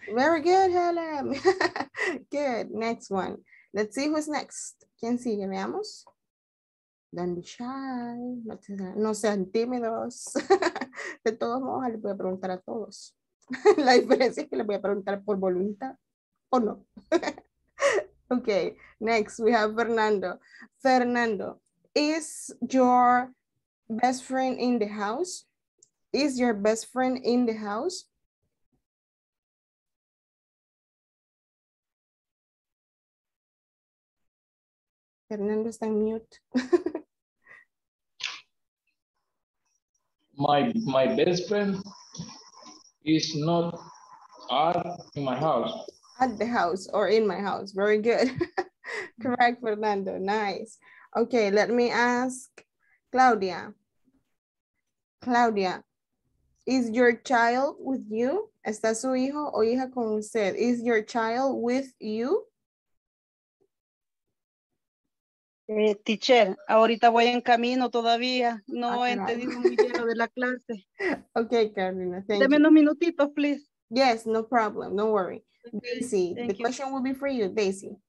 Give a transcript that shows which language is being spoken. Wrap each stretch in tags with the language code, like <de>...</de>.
<en>Very good, Helen. Good. Next one. Let's see who's next.</en> <es>¿Quién sigue? Veamos.</es> <en>Don't be shy.</en> <es>No sean tímidos. De todos modos, les voy a preguntar a todos. La diferencia es que les voy a preguntar por voluntad o no.</es> <en>Okay, next we have Fernando. Fernando, is your best friend in the house? Is your best friend in the house?</en> <es>Fernando está en mute.</es> <en>My best friend is not at my house. At the house or in my house. Very good. Correct, Fernando. Nice. Okay, let me ask Claudia. Claudia, is your child with you?</en> <es>¿Está su hijo o hija con usted?</es> <en>Is your child with you?</en> <es>Teacher, ahorita voy en camino todavía. No he entendido muy bien de la clase.</es> <en>Okay, Carolina, thank</en> <es>you. Deme unos minutitos, please.</es> <en>Yes, no problem, no worry. Okay, Daisy, the question will be for you, Daisy.</en>